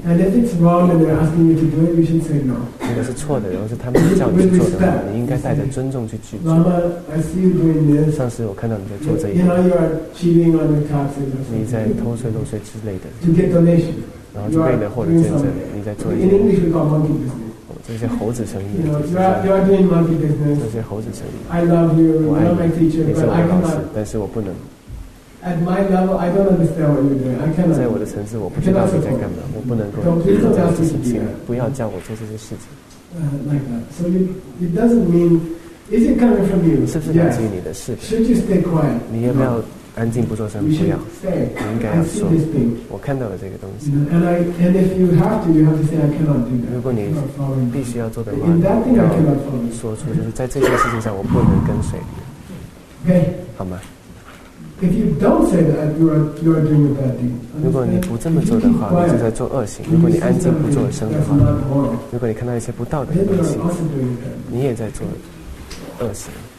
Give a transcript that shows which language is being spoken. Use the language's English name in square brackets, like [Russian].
[English] And if it's wrong and they're asking you to do it, you should say no. [Chinese] 如果是错的，然后是他们叫你去做的话，你应该带着尊重去拒绝。 [English] Lama, I see you doing this. [Chinese] 上次我看到你在做这一点。 [English] You know you are cheating on the taxes. [Chinese] 你在偷税漏税之类的。 [English] To get donation. [Chinese] 然后就为了获得捐赠，你在做一 [English] 些。In English, we call monkey business. [Chinese] 这些猴子生意，这些猴子生意。 [English] I love you, you are my teacher, but I cannot. [Chinese] 但是我不能。 [English] At my level, I don't understand what you're doing. I cannot. [Chinese] 在我的层次，我不知道你在干嘛，我不能够做这些事情。不要叫我做这些事情。 [English] Like that. So it doesn't mean, is it coming from you? [Chinese] 是不是来自于你的事？ [English] Should you stay quiet? [Chinese] 你要不要安静不做声？不要。 [English] Say, [Chinese] 应该要说，我看到了这个东西。 [English] And if you have to, you have to say, I cannot do that. [Chinese] 如果你必须要做的话， [English] in that thing, [Chinese] 要说出，就是在这件事情上，我不能跟随你。 [English] Okay. [Chinese] 好吗？ [English] If you don't say that, you are doing a bad thing.、Understand? [Chinese] 如果你不这么做的话，你就在做恶行。如果你安静不做声的话，如果你看到一些不道德的东西，你也在做恶行。